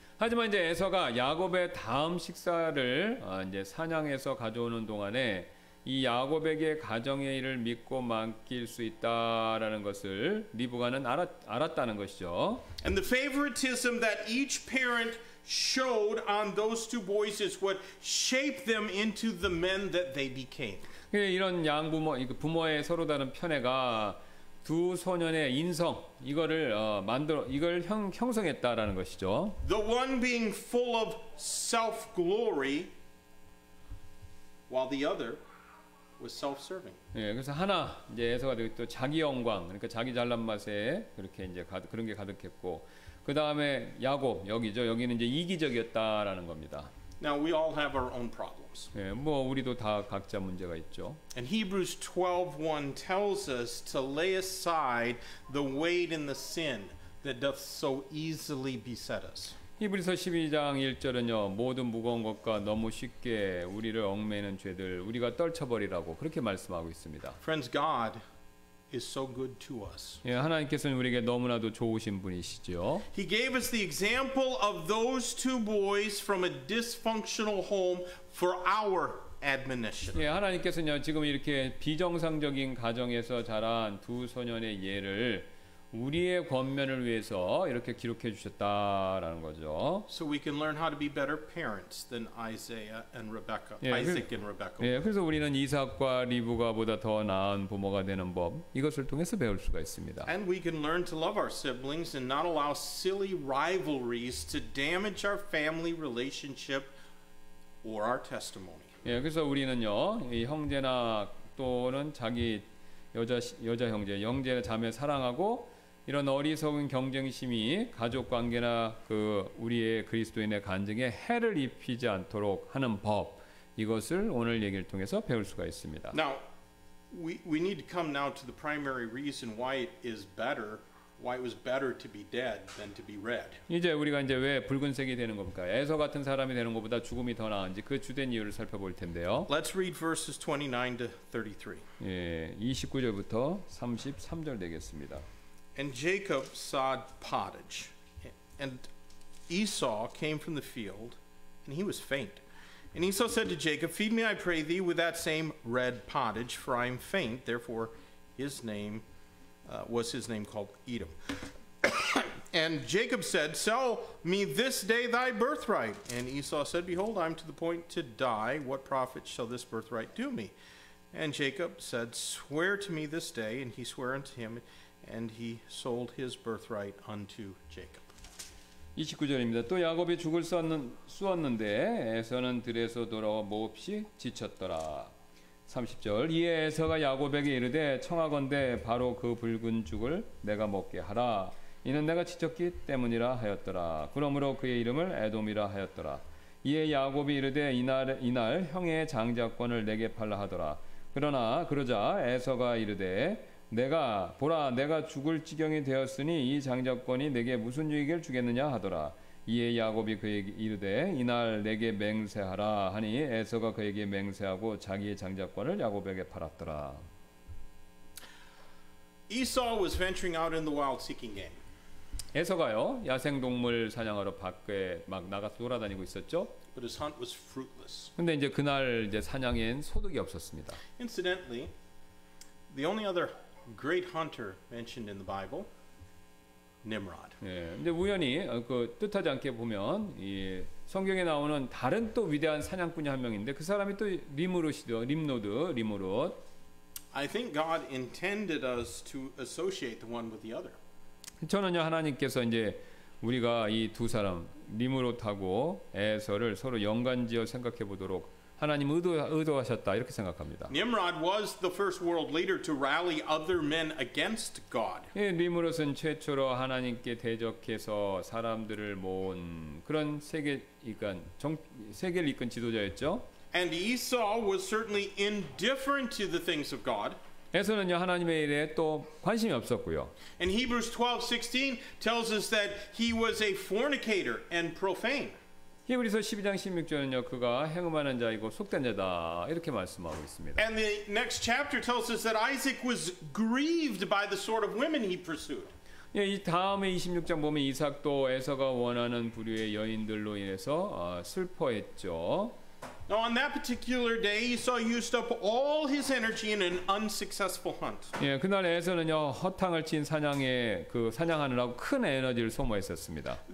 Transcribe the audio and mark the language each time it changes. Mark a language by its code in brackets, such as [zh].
[ko] 하지만 이제 에서가 야곱의 다음 식사를 이제 사냥해서 가져오는 동안에 이 야곱에게 가정의 일을 믿고 맡길 수 있다라는 것을 리브가는 알았다는 것이죠. [en] And the favoritism that each parent showed on those two boys is what shaped them into the men that they became. [ko] 이런 양부모 부모의 서로 다른 편애가 두 소년의 인성 이거를 만들어 이걸 형성했다라는 것이죠. [en] The one being full of self-glory while the other was self-serving. [ko] 예, 그래서 하나 이제 에서가 되고 또 자기 영광 그러니까 자기 잘난 맛에 그렇게 이제 그런 게 가득했고 그다음에 야곱 여기죠. 여기는 이제 이기적이었다라는 겁니다. [en] Now we all have our own problems. [ko] 예, 뭐 우리도 다 각자 문제가 있죠. [en] And Hebrews 12:1 tells us to lay aside the weight and the sin that doth so easily beset us. [ko] 히브리서 12장 1절은요, 모든 무거운 것과 너무 쉽게 우리를 얽매는 죄들 우리가 떨쳐버리라고 그렇게 말씀하고 있습니다. [en] Friends, God is so good to us. [ko] 예, 하나님께서는 우리에게 너무나도 좋으신 분이시죠. [en] He gave us the example of those two boys from a dysfunctional home for our admonition. [ko] 예, 하나님께서는요, 지금 이렇게 비정상적인 가정에서 자란 두 소년의 예를 우리의 권면을 위해서 이렇게 기록해 주셨다라는 거죠. [en] So we can learn how to be better parents than Isaiah and Rebecca, 예, Isaac and Rebecca. [ko] 예, 그래서 우리는 이삭과 리브가보다 더 나은 부모가 되는 법 이것을 통해서 배울 수가 있습니다. [en] And we can learn to love our siblings and not allow silly rivalries to damage our family relationship or our testimony. [ko] 예, 그래서 우리는요 이 형제나 또는 자기 여자 형제, 형제 자매 사랑하고 이런 어리석은 경쟁심이 가족 관계나 그 우리의 그리스도인의 간증에 해를 입히지 않도록 하는 법 이것을 오늘 얘기를 통해서 배울 수가 있습니다. [en] Now we need to come now to the primary reason why it is better, why it was better to be dead than to be red. [ko] 이제 우리가 이제 왜 붉은색이 되는 겁니까? 에서 같은 사람이 되는 것보다 죽음이 더 나은지 그 주된 이유를 살펴볼 텐데요. [en] Let's read verses 29-33. [ko] 예, 29절부터 33절 되겠습니다. [en] And Jacob sawed pottage, and Esau came from the field, and he was faint. And Esau said to Jacob, Feed me, I pray thee, with that same red pottage, for I am faint. Therefore his name was his name called Edom. And Jacob said, Sell me this day thy birthright. And Esau said, Behold, I am to the point to die. What profit shall this birthright do me? And Jacob said, Swear to me this day. And he swore unto him, And he sold his birthright unto Jacob. [ko] 29절입니다. 또 야곱이 죽을 쑤었는데 에서는 들에서 돌아와 몹시 지쳤더라. 30절 이에 에서가 야곱에게 이르되 청하건대 바로 그 붉은 죽을 내가 먹게 하라. 이는 내가 지쳤기 때문이라 하였더라. 그러므로 그의 이름을 에돔이라 하였더라. 이에 야곱이 이르되 이날 형의 장자권을 내게 팔라 하더라. 그러나 그러자 에서가 이르되 내가 보라 내가 죽을 지경이 되었으니 이 장자권이 내게 무슨 유익을 주겠느냐 하더라. 이에 야곱이 그에게 이르되 이날 내게 맹세하라 하니 에서가 그에게 맹세하고 자기의 장자권을 야곱에게 팔았더라. [en] Esau was venturing out in the wild seeking game. [ko] 에서가요 야생동물 사냥하러 밖에 막 나가서 돌아다니고 있었죠. [en] But his hunt was fruitless. [ko] 근데 이제 그날 이제 사냥엔 소득이 없었습니다. [en] Incidentally, the only other great hunter mentioned in the Bible, Nimrod. [ko] 예, 근데 우연히 그 뜻하지 않게 보면 이 성경에 나오는 다른 또 위대한 사냥꾼이 한 명인데 그 사람이 또 림노드. [en] I think God intended us to associate the one with the other. [ko] 저는요 하나님께서 이제 우리가 이 두 사람 림으로 타고 에서를 서로 연관지어 생각해 보도록 하나님 의도하셨다 이렇게 생각합니다. [en] Nimrod was the first world leader to rally other men against God. [ko] 예, 니므롯은 최초로 하나님께 대적해서 사람들을 모은 그런 세계 이건 세계를 이끈 지도자였죠. [en] And Esau was certainly indifferent to the things of God. [ko] 에서는요 하나님의 일에 또 관심이 없었고요. [en] And Hebrews 12:16 tells us that he was a fornicator and profane. [ko] 히브리서 12장 16절은요 그가 행음하는 자이고 속된 자다 이렇게 말씀하고 있습니다. [en] And the next chapter tells us that Isaac was grieved by the sort of women he pursued. [ko] 예, 이 다음에 26장 보면 이삭도 에서가 원하는 부류의 여인들로 인해서 슬퍼했죠. [en] Now on that particular day, Esau used up all his energy in an unsuccessful hunt. [ko] 예, 그날 에서는요 허탕을 친 사냥에 그 사냥하느라고 큰 에너지를 소모했었습니다.